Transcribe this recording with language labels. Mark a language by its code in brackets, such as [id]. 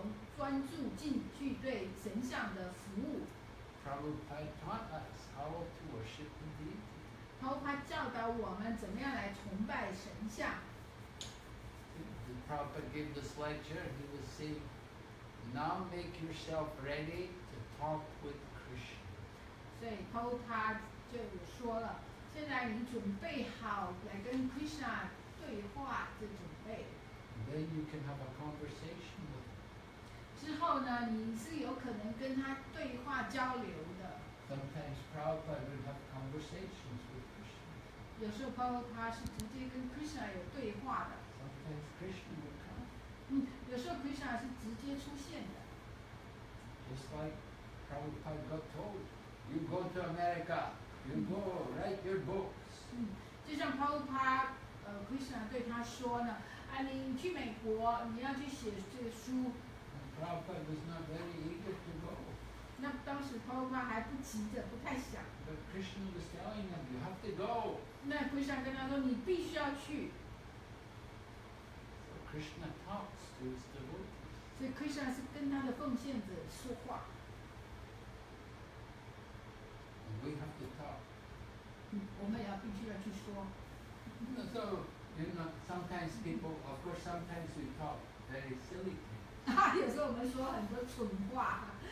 [zh] 我们想要就是更加的专注进去对神像的服务。 [en] Prabhupada taught us how to worship the deity. [zh] 他教导我们怎么样来崇拜神像。 [en] The Prabhupada gave this lecture and he was saying, "Now make yourself ready to talk with Krishna." [zh] 所以他就说了，现在你准备好来跟 Krishna 对话。 [en] then you can have a conversation with her. [zh] 之后呢, 你是有可能跟他对话交流的。 [en] Sometimes Prabhupada would have conversations with Krishna. [zh] 有时候Prabhupada是直接跟Krishna有对话的。 [en] Sometimes Krishna would come. [zh] 有时候Krishna是直接出现的。 [en] Just like Prabhupada got told, you go to America, you go write your books. [zh] 就像Prabhupada, Krishna对他说呢, 你去美国,你要去写这书。 [en] Prabhupada was not very eager to go. [zh] 那当时Prabhupada还不急着,不太想。 [en] But Krishna was telling him, you have to go. [zh] 那Krishna跟他说,你必须要去。 [en] So Krishna talks to his devotees. [zh] 所以Krishna是跟他的奉献者说话。 [en] And we have to talk. [zh] 我们也必须要去说。 [en] So, you know, sometimes people, of course, sometimes we talk very silly things. [zh] 有时候我们说很多蠢话。